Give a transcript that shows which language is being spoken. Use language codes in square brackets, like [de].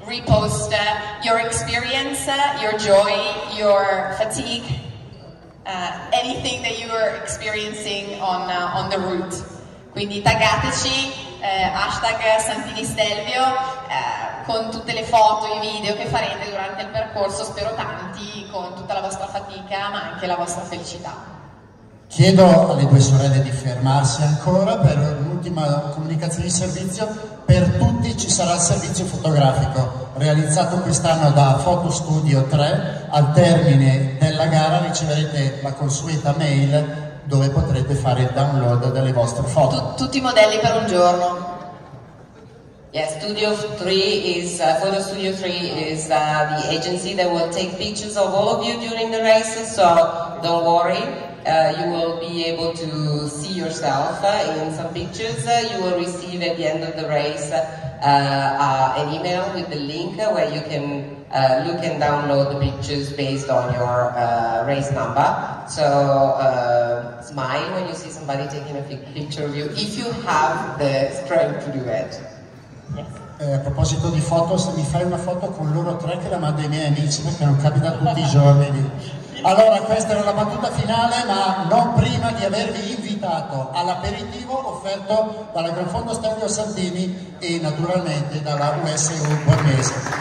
[en] repost your experience, your joy, your fatigue, anything that you are experiencing on the route. [it] Quindi taggateci, hashtag Santini Stelvio, con tutte le foto, i video che farete durante il percorso, spero tanti, con tutta la vostra fatica, ma anche la vostra felicità. Chiedo alle due sorelle di fermarsi ancora per un'ultima comunicazione di servizio. Per tutti ci sarà il servizio fotografico, realizzato quest'anno da Photo Studio 3. Al termine della gara riceverete la consueta mail dove potrete fare il download delle vostre foto. Tutti i modelli per un giorno. [en] Yeah, Studio 3 is Photo Studio 3 is the agency that will take pictures of all of you during the race, so don't worry. You will be able to see yourself in some pictures. You will receive at the end of the race an email with the link where you can look and download the pictures based on your race number. So smile when you see somebody taking a picture of you, if you have the strength to do it. [it] A proposito di foto, se mi fai una foto con loro tre che la mando ai miei amici, perché non capita tutti i giorni. Allora, questa era la battuta finale, ma non prima di avervi invitato all'aperitivo offerto dalla Gran Fondo Stelvio Santini e naturalmente dalla USU Bolognese.